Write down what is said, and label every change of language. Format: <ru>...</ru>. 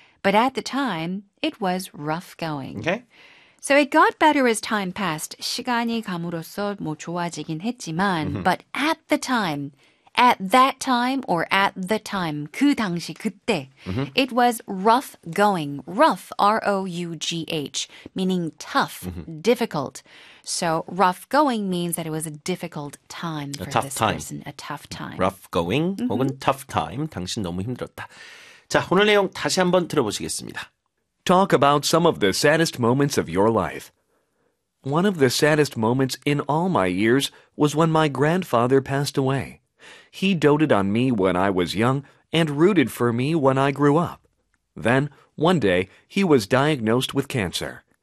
<en>But at the time, it was rough going. Okay. So it got better as time passed.</en> <ko>시간이 감으로써 뭐 좋아지긴 했지만.</ko> <en>But at the time, at that time or at the time,</en> <ko>그 당시 그때.</ko> <en>It was rough going. Rough, R-O-U-G-H, meaning tough, difficult. So rough going means that it was a difficult time for this person. A tough time. Rough going</en> <ko>혹은</ko> <en>tough time.</en> <ko>당신 너무 힘들었다. 자, 오늘 내용 다시 한번 들어보시겠습니다.</ko> <en>Talk about some of the saddest moments of your life. One of the saddest moments in all my years was when my grandfather passed away. He doted on me when I was young and rooted for me when I grew up. Then, one day, he was diagnosed with cancer.</en>